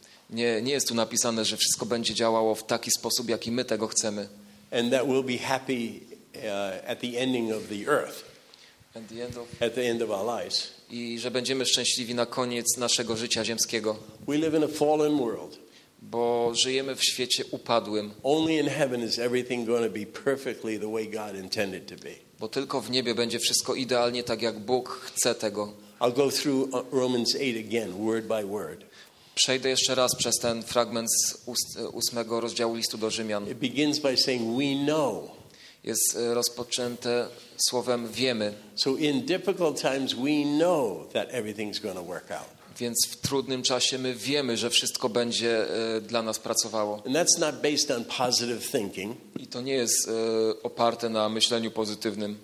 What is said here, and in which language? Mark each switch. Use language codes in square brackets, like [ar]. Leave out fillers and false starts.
[pl] Nie jest tu napisane, że wszystko będzie działało w taki sposób, jaki my tego chcemy. [en] And that we'll be happy at the ending of the earth. At the end of our lives. [pl] I że będziemy szczęśliwi na koniec naszego życia ziemskiego. [en] We live in a fallen world. [pl] Bo żyjemy w świecie upadłym. [en] Only in heaven is everything going to be perfectly the way God intended to be. [pl] Bo tylko w niebie będzie wszystko idealnie tak, jak Bóg chce tego. [en] I'll go through Romans 8 again, word by word. [pl] Przejdę jeszcze raz przez ten fragment z 8 rozdziału listu do Rzymian. [en] It begins by saying we know. [pl] Jest rozpoczęte słowem wiemy. [en] So in difficult times we know that everything's going to work out. [pl] Więc w trudnym czasie my wiemy, że wszystko będzie dla nas pracowało. [en] And that's not based on positive thinking. [pl] I to nie jest oparte na myśleniu pozytywnym.